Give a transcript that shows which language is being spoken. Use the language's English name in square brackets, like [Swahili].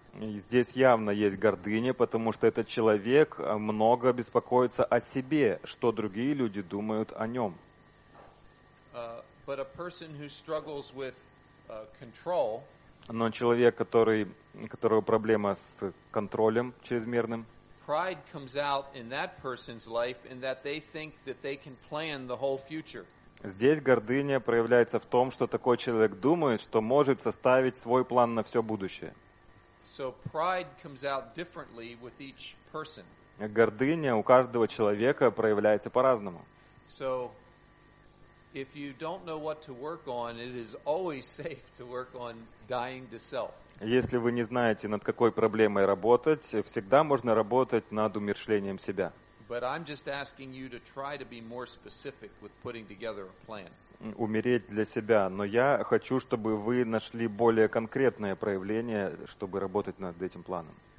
[Russian] Здесь явно есть гордыня, потому что этот человек много беспокоится о себе, что другие люди думают о нем. [English] But a person who struggles with control, [Russian] но человек, у которого проблема с контролем чрезмерным, [English] pride comes out in that person's life in that they think that they can plan the whole future. [Russian] Здесь гордыня проявляется в том, что такой человек думает, что может составить свой план на все будущее. [English] So pride comes out differently with each person. [Russian] Гордыня у каждого человека проявляется по-разному. [English] So if you don't know what to work on, it is always safe to work on dying to self. [Russian] Если вы не знаете, над какой проблемой работать, всегда можно работать над умерщвлением себя. [English] But I'm just asking you to try to be more specific with putting together a plan. [Russian] Умереть для себя, но я хочу, чтобы вы нашли более конкретное проявление, чтобы работать над этим планом.